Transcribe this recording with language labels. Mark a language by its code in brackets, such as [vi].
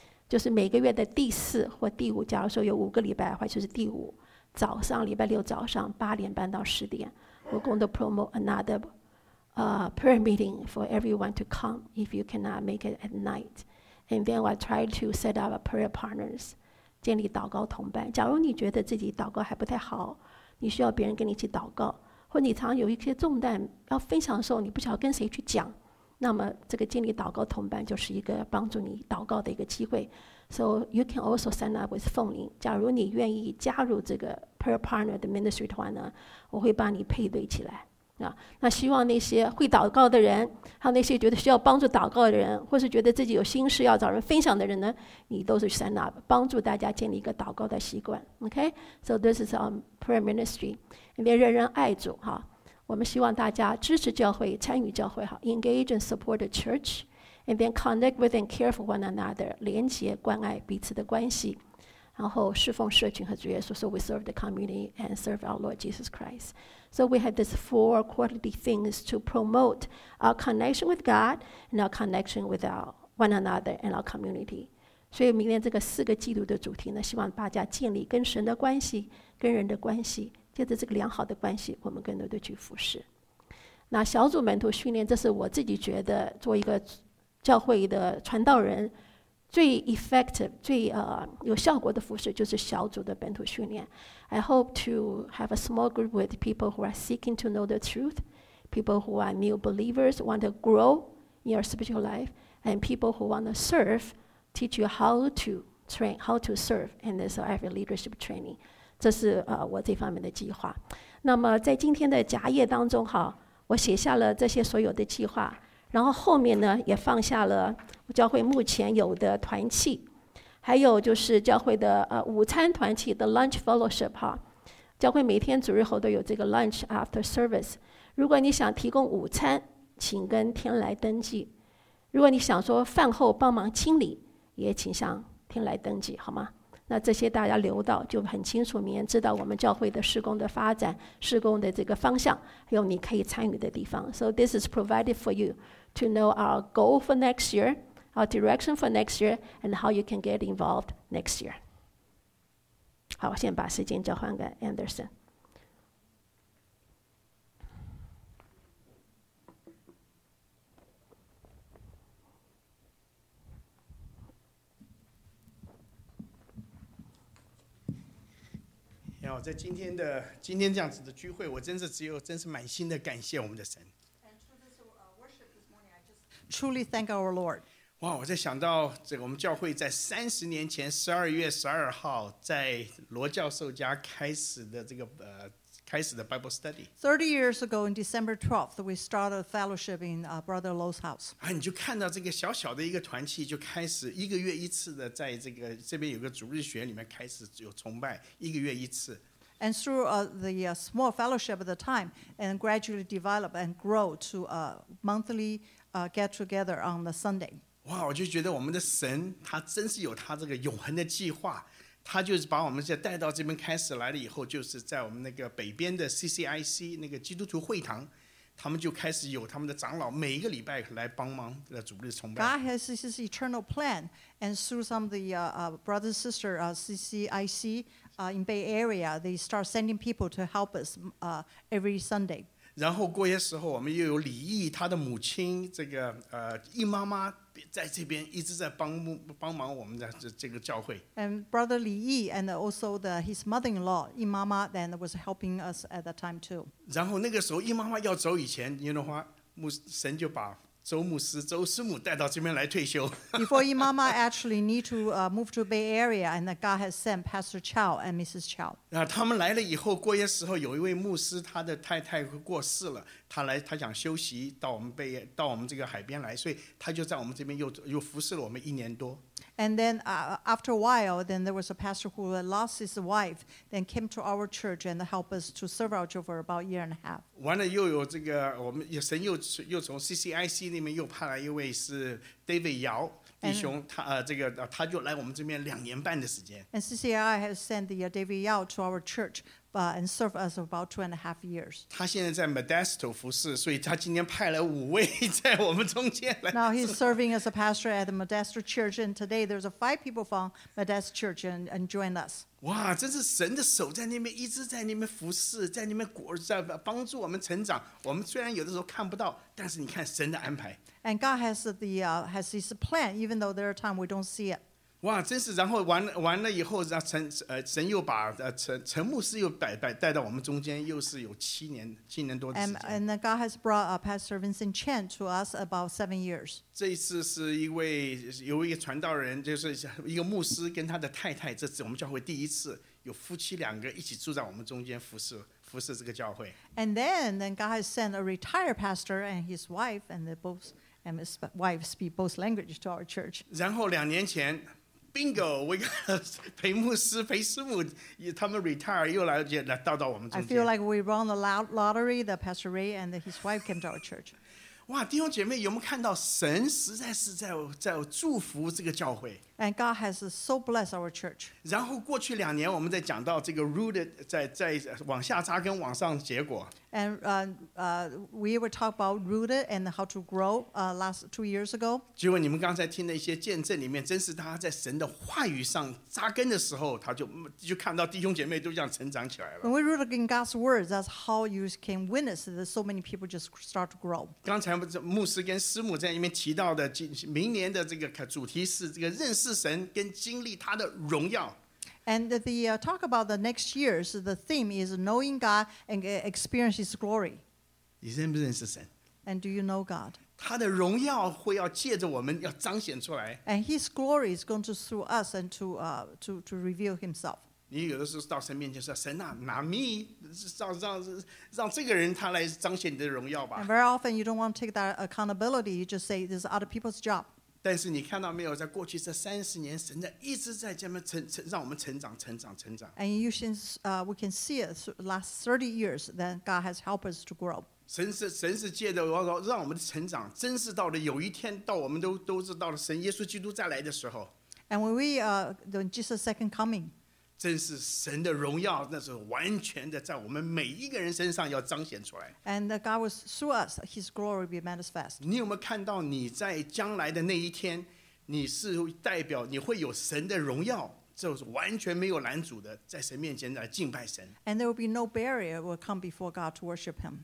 [zh] 就是每个月的第四或第五，假如说有五个礼拜的话，就是第五早上，礼拜六早上八点半到十点， [en] we're going to promote another prayer meeting for everyone to come if you cannot make it at night. And then I'll try to set up a prayer partners. [zh] 建立祷告同伴，假如你觉得自己祷告还不太好，你需要别人跟你一起祷告，或你常有一些重担要分享的时候，你不晓得跟谁去讲，那么这个建立祷告同伴就是一个帮助你祷告的一个机会。 [en] So you can also sign up with [zh] 凤林，假如你愿意加入这个 prayer partner 的 ministry 的话呢，我会帮你配对起来。那希望那些会祷告的人，还有那些觉得需要帮助祷告的人，或是觉得自己有心事要找人分享的人呢，你都是 sign up， 帮助大家建立一个祷告的习惯。 [en] OK， So this is our prayer ministry， [zh] 因为人人爱主，我们希望大家支持教会，参与教会， [en] engage and support the church， and then connect with and care for one another， [zh] 连接关爱彼此的关系，然后侍奉社群和主耶稣。 [en] So we serve the community and serve our Lord Jesus Christ. So we have these four quality things to promote our connection with God and our connection with our one another and our community. [zh] 所以明年这个四个季度的主题呢，希望大家建立跟神的关系，跟人的关系，借着这个良好的关系，我们更多的去服侍。那小组门徒训练，这是我自己觉得做一个教会的传道人最 effective 最有效果的服事，就是小组的本土训练。 [en] I hope to have a small group with people who are seeking to know the truth, people who are new believers, want to grow in your spiritual life, and people who want to serve, teach you how to train, how to serve, and this every leadership training. [zh] 这是我这方面的计划。那么在今天的夹页当中，我写下了这些所有的计划，然后后面呢也放下了教会目前有的团契，还有就是教会的午餐团契 The Lunch Fellowship。教会每天主日后都有这个 Lunch After Service， 如果你想提供午餐，请跟天来登记，如果你想说饭后帮忙清理，也请向天来登记，好吗？那这些大家留到就很清楚，明年知道我们教会的事工的发展，事工的这个方向，还有你可以参与的地方。 [en] So this is provided for you to know our goal for next year, our direction for next year, and how you can get involved next year. [zh] 好，我先把时间交还给 Anderson。哦，在今天这样子的聚会，我真是真是满心的感谢我们的神。 [en] And through this worship this morning, I just truly thank our Lord. [zh] 哇，我在想到这个，我们教会在30年前12月12号在罗教授家开始的这个开始的 Bible study. [en] 30 years ago, in December 12th, we started a fellowship in Brother Lo's house. [zh] 啊，你就看到这个小小的一个团契就开始一个月一次的在这个这边有个主日学里面开始有崇拜，一个月一次。 [en] And through the small fellowship at the time, and gradually develop and grow to a monthly get together on the Sunday. [zh] 哇，我就觉得我们的神，他真是有他这个永恒的计划。他就是把我们带到这边开始来了以后，就是在我们那个北边的 CCIC 那个基督徒会堂，他们就开始有他们的长老每一个礼拜来帮忙的主日崇拜。 [en] God has this eternal plan, and through some of the brothers and sisters CCIC in Bay Area, they start sending people to help us every Sunday. [zh] 然后过些时候，我们又有李毅他的母亲这个易妈妈。在这边一直在 帮忙我们的这个教会。 [en] And Brother Li Yi and also his mother-in-law, Yi Mama, then was helping us at that time too. [zh] 然后那个时候，Yi Mama要走以前，你的话，神就把周牧师、周师母带到这边来退休。 [en] Before Yi Mama actually need to move to Bay Area, and God has sent Pastor Chow and Mrs. Chow. [zh] 他们来了以后，过些时候有一位牧师，他的太太过世了。他想休息到我们这个海边来，所以他就在我们这边又服侍了我们一年多。 [en] And then after a while, then there was a pastor who had lost his wife, then came to our church and helped us to serve our church for about a year and a half. [zh] 完了又有这个，我们神又从 CCIC 那边又派来一位是 David Yao 弟兄，他就来我们这边2年半的时间。 [en] And CCI has sent David Yao to our church. And serve us about 2.5 years. [zh] 他现在在 Modesto 服侍，所以他今天派了5位在我们中间来。 [en] Now he's serving as a pastor at the Modesto Church, and today there's 5 people from Modesto Church and join us. [zh] 哇，这是神的手在那边一直在那边服侍，在那边在帮助我们成长。我们虽然有的时候看不到，但是你看神的安排。 [en] And God has has His plan, even though there are times we don't see it. [zh] 哇，真是！然后完了以后，神又把陈牧师又带到我们中间，又是有七年多的时间。 [en] And God has brought Pastor Vincent Chen to us about 7 years. [zh] 这一次是有一个传道人，就是一个牧师跟他的太太，这次我们教会第一次有夫妻两个一起住在我们中间服侍这个教会。 [en] And then God has sent a retired pastor and his wife, and they both and his wife speak both languages to our church. [zh] 然后2年前。 [en] Bingo! We got [zh] 裴牧师、裴师母，他们 retire 又来到我们中间。 [en] I feel like we won the lottery. The Pastor Ray and his wife came to our church. [zh] 哇，弟兄姐妹，有没有看到神实在是在祝福这个教会 [en] ？And God has so blessed our church. [zh] 然后过去两年，我们在讲到这个 rooted 在往下扎根、往上结果。 [en] And we were talking about rooted and how to grow last 2 years ago. [zh] 结果你们刚才听的一些见证里面，真是他在神的话语上扎根的时候，他就看到弟兄姐妹都这样成长起来了。 [en] When we rooted in God's words, that's how you can witness that so many people just start to grow. [zh] 刚才牧师跟师母在里面提到的，明年的这个主题是这个认识神跟经历他的荣耀。 [en] And the talk about the next year, so the theme is knowing God and experience His glory. [zh] 你认不认识神？ [en] And do you know God? [zh] 他的荣耀会要借着我们要彰显出来。 [en] And His glory is going to through us and to reveal Himself. [zh] 你有的时候到神面前说：“神啊，拿me，让这个人他来彰显你的荣耀吧。” [en] And very often you don't want to take that accountability. You just say this is other people's job. [zh] 但是你看到没有，在过去这30年，神的一直在这么让我们成长、成长、成长。 [en] And you can, we can see it last 30 years that God has helped us to grow. [zh] 神是借着让我们成长，真是到了有一天，到我们都是到了神耶稣基督再来的时候。 [en] And when we the Jesus second coming. [zh] 真是神的荣耀，那是完全的在我们每一个人身上要彰显出来。 [en] And God was through us, His glory be manifest. [zh] 你有没有看到你在将来的那一天，你是代表你会有神的荣耀，就是完全没有拦阻的在神面前来敬拜神。 [en] And there will be no barrier will come before God to worship Him.